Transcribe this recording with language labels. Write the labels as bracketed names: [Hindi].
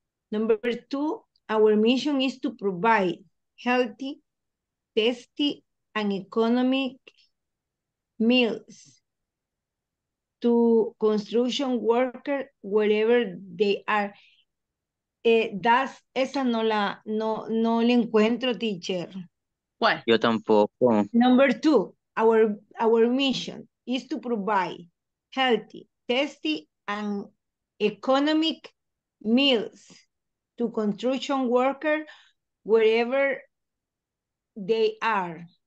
[English] Number two, our mission is to provide healthy, tasty, and economic meals to construction workers wherever they are. [Spanish] Das, esa no la, no le encuentro, teacher. ¿Cuál? Yo tampoco. [English] Number two, our mission is to provide healthy, tasty, and economic meals to construction workers wherever they are.